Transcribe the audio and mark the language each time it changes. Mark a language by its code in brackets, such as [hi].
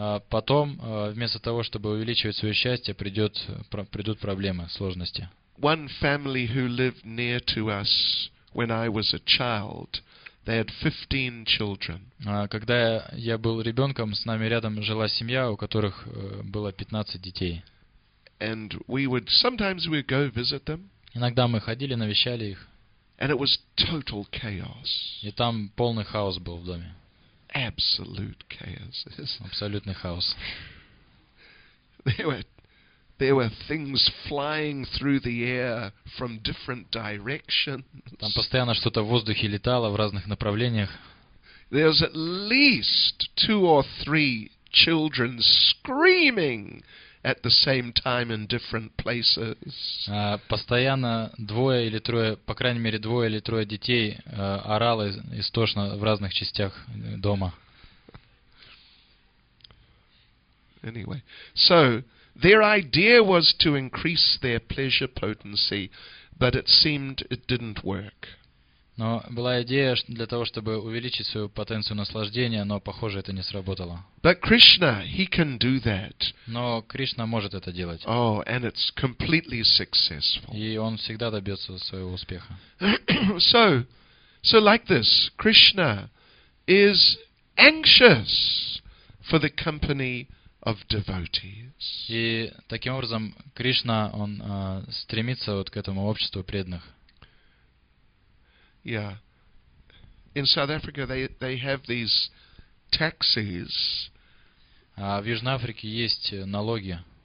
[ru] Потом, вместо того, чтобы увеличивать свое счастье, придут проблемы, сложности. [en] One family who lived near to us when I was a child, they had 15 children. [ru] Когда я был ребенком, с нами рядом жила семья, у которых было 15 детей. [en] And we would sometimes we'd go visit them. [ru] Иногда мы ходили, навещали их. [en] And it was total chaos. [ru] И там полный хаос был в доме. [en] Absolute chaos. [ru] Абсолютный хаос. [en] There were things flying through the air from different directions. [ru] Там постоянно что-то в воздухе летало в разных направлениях. [en] There was at least two or three children screaming at the same time in different places. [ru] Постоянно двое или трое, по крайней мере двое или трое детей орало истошно в разных частях дома. [en] Anyway, so their idea was to increase their pleasure potency, but it seemed it didn't work. [ru] Но была идея для того, чтобы увеличить свою потенцию наслаждения, но, похоже, это не сработало. [en] But Krishna, he can do that. [ru] Но Кришна может это делать. [en] Oh, and it's completely successful. [ru] И он всегда добьется своего успеха. [en] So like this, Krishna is anxious for the company of devotees. [ru] И таким образом Кришна, он стремится вот к этому обществу преданных. [en] Yeah. In South Africa they have these taxis. [ru] В Южной Африке есть налоги.